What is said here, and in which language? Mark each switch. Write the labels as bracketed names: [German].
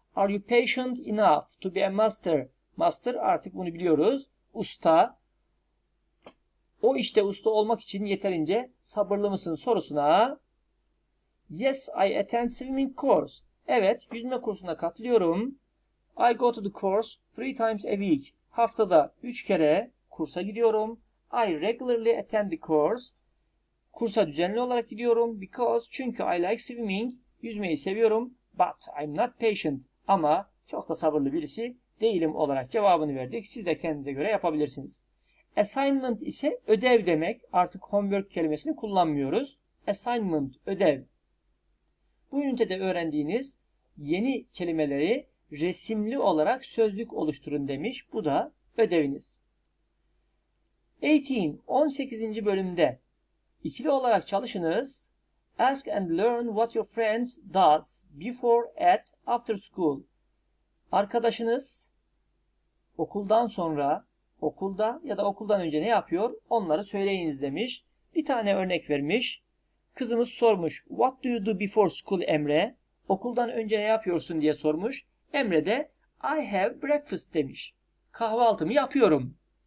[English] Are you patient enough to be a master? [Turkish] Master artık bunu biliyoruz. Usta. O işte usta olmak için yeterince sabırlı mısın sorusuna. [English] Yes, I attend swimming course. [Turkish] Evet, yüzme kursuna katılıyorum. [English] I go to the course 3 times a week. [Turkish] Haftada 3 kere kursa gidiyorum. [English] I regularly attend the course. [Turkish] Kursa düzenli olarak gidiyorum. Because, çünkü [English] I like swimming. [Turkish] Yüzmeyi seviyorum. [English] But I'm not patient. [Turkish] Ama çok da sabırlı birisi değilim olarak cevabını verdik. Siz de kendinize göre yapabilirsiniz. Assignment ise ödev demek. Artık homework kelimesini kullanmıyoruz. Assignment, ödev. Bu ünitede öğrendiğiniz yeni kelimeleri resimli olarak sözlük oluşturun demiş. Bu da ödeviniz. 18. 18. bölümde ikili olarak çalışınız. [English] Ask and learn what your friends does before, at, after school. [Turkish] Arkadaşınız okuldan sonra, okulda ya da okuldan önce ne yapıyor? Onları söyleyiniz demiş. Bir tane örnek vermiş. Kızımız sormuş. [English] What do you do before school, Emre? [Turkish] Okuldan önce ne yapıyorsun diye sormuş. Emre de [English] I have breakfast [Turkish] demiş. Kahvaltımı yapıyorum.